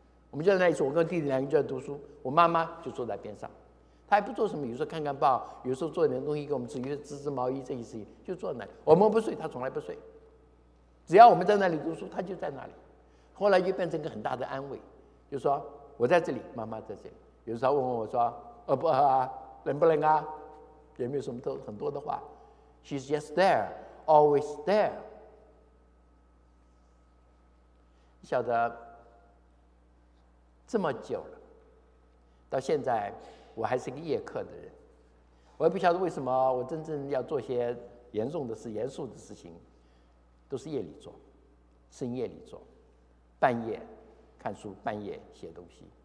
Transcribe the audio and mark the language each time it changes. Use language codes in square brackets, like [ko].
[zh] 我们就在那里，我跟弟弟两个就在读书，我妈妈就坐在边上，她还不做什么，有时候看看报，有时候做点东西给我们吃，有时候织织毛衣，这些事情就坐在那里。我们不睡，她从来不睡，只要我们在那里读书，她就在那里。后来就变成一个很大的安慰，就说我在这里，妈妈在这里。有时候问我说饿不饿啊，冷不冷啊，也没有什么多很多的话。 [en] She's just there, always there。 [zh] 你晓得这么久了，到现在我还是个夜课的人。我也不晓得为什么我真正要做些严重的事、严肃的事情都是夜里做，深夜里做，半夜看书，半夜写东西。